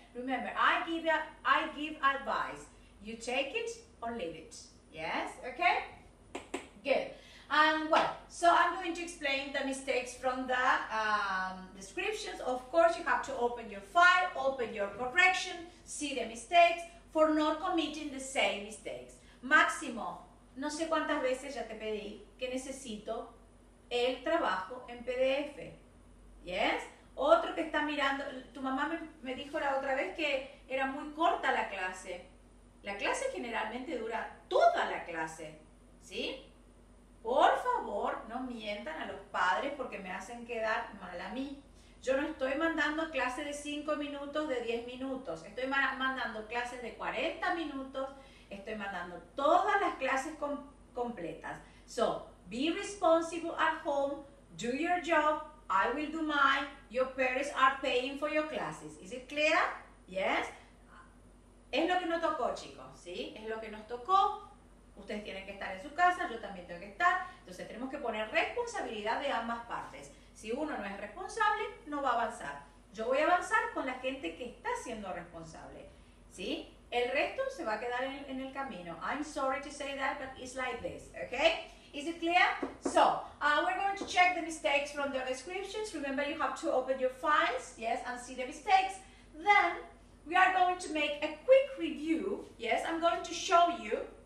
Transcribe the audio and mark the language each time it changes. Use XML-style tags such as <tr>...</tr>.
<en>Remember, I give advice. You take it or leave it. Yes? Okay? Good. And well, so I'm going to explain the mistakes from the descriptions. Of course, you have to open your file, open your correction, see the mistakes for not committing the same mistakes.</en> <es>Máximo, no sé cuántas veces ya te pedí que necesito el trabajo en PDF.</es> <en>Yes?</en> <es>Otro que está mirando, tu mamá me dijo la otra vez que era muy corta la clase. La clase generalmente dura toda la clase, ¿sí? Por favor, no mientan a los padres porque me hacen quedar mal a mí. Yo no estoy mandando clases de 5 minutos, de 10 minutos. Estoy mandando clases de 40 minutos. Estoy mandando todas las clases completas.</es> <en>So, be responsible at home. Do your job. I will do mine. Your parents are paying for your classes. Is it clear? Yes?</en> <es>Es lo que nos tocó, chicos. ¿Sí? Es lo que nos tocó. Ustedes tienen que estar en su casa, yo también tengo que estar. Entonces tenemos que poner responsabilidad de ambas partes. Si uno no es responsable, no va a avanzar. Yo voy a avanzar con la gente que está siendo responsable. ¿Sí? El resto se va a quedar en el camino.</es> <en>I'm sorry to say that, but it's like this. Okay? Is it clear? So, we're going to check the mistakes from the descriptions. Remember, you have to open your files, yes, and see the mistakes. Then, we are going to make a quick review. Yes, I'm going to show you.</en>